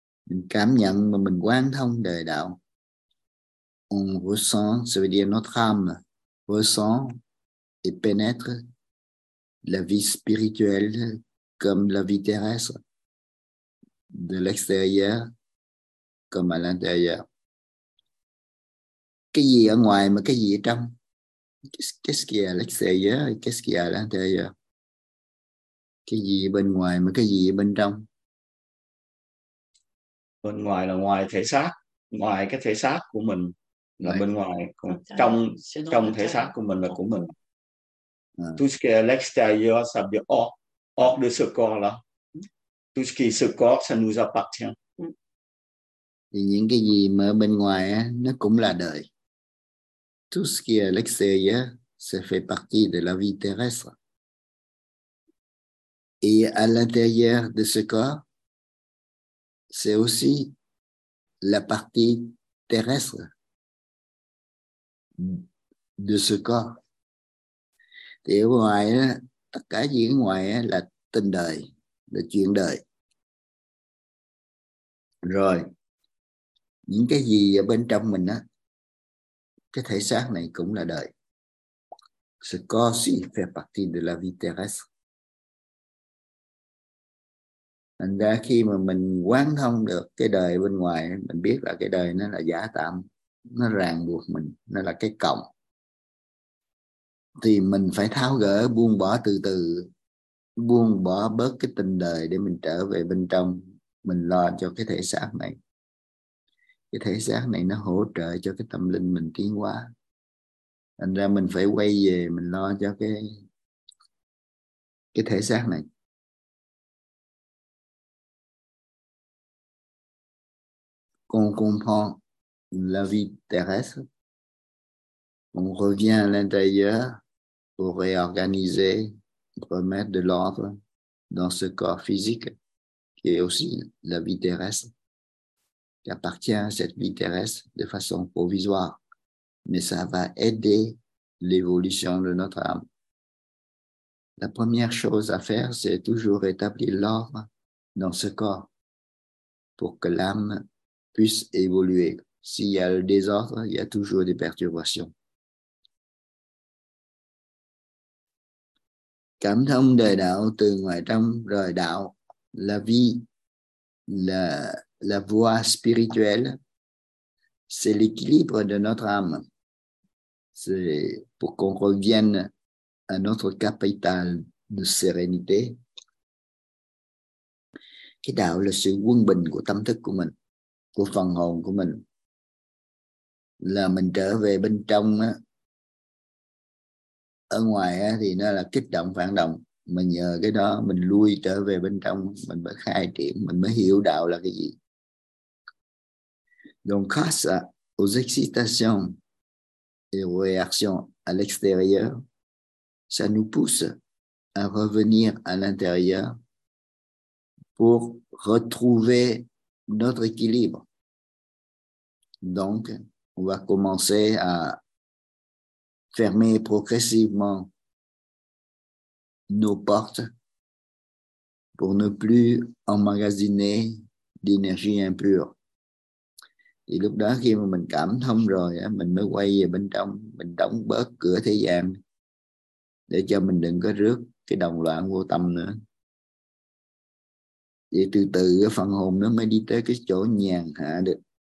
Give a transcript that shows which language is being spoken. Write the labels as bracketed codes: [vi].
[vi] Mình cảm nhận mà mình quán thông đời đạo. [fr] On ressent, ça veut dire notre âme ressent et pénètre la vie spirituelle comme la vie terrestre, de l'extérieur comme à l'intérieur. [vi] cái gì ở ngoài mà cái gì ở trong. [fr] Qu'est-ce qu'il y a à l'extérieur et qu'est-ce qu'il y a à l'intérieur? [vi] Cái gì bên ngoài mà cái gì bên trong? Bên ngoài là ngoài thể xác, ngoài cái thể xác của mình là bên ngoài, còn trong trong thể xác của mình là của mình. [fr] Tout ce qui est à l'extérieur, ça vient hors de ce corps-là. Tout ce qui est ce corps, ça nous appartient. [vi] Thì những cái gì mà bên ngoài á, nó cũng là đời. [fr] Tout ce qui est à l'extérieur, ça fait partie de la vie terrestre. Et à l'intérieur de ce corps, c'est aussi la partie terrestre de ce corps. [vi] Thì ở ngoài, á, tất cả gì ở ngoài á, là tình đời, là chuyện đời. Rồi, những cái gì ở bên trong mình á, cái thể xác này cũng là đời. Ce corps aussi fait partie de la vie terrestre. Thành ra khi mà mình quán thông được cái đời bên ngoài, mình biết là cái đời nó là giả tạm, nó ràng buộc mình, nó là cái cổng. Thì mình phải tháo gỡ, buông bỏ từ từ, buông bỏ bớt cái tình đời để mình trở về bên trong, mình lo cho cái thể xác này. Cái thể xác này nó hỗ trợ cho cái tâm linh mình tiến hóa. Thành ra mình phải quay về, mình lo cho cái thể xác này. [fr] Quand on comprend la vie terrestre, on revient à l'intérieur pour réorganiser, remettre de l'ordre dans ce corps physique qui est aussi la vie terrestre. Qui appartient à cette vie terrestre de façon provisoire, mais ça va aider l'évolution de notre âme. La première chose à faire, c'est toujours établir l'ordre dans ce corps pour que l'âme puisse évoluer. S'il y a le désordre, il y a toujours des perturbations. [vi] Cảm thông đời đạo từ ngoài trong rời đạo, [fr] la vie, la la voie spirituelle, c'est l'équilibre de notre âme. C'est pour qu'on revienne à notre capital de sérénité. [vi] Cái đạo là sự quân bình của tâm thức của mình, của phần hồn của mình. Là mình trở về bên trong á. Ở ngoài á thì nó là kích động phản động. Mình nhờ cái đó mình lui trở về bên trong, mình mới khai triển, mình mới hiểu đạo là cái gì. [fr] Donc, grâce aux excitations et aux réactions à l'extérieur, ça nous pousse à revenir à l'intérieur pour retrouver notre équilibre. Donc, on va commencer à fermer progressivement nos portes pour ne plus emmagasiner d'énergie impure. [vi] Thì lúc đó khi mà mình cảm thông rồi á, mình mới quay về bên trong, mình đóng bớt cửa thế gian để cho mình đừng có rước cái đồng loạn vô tâm nữa. Thì từ từ cái phần hồn nó mới đi tới cái chỗ nhàn hạ được.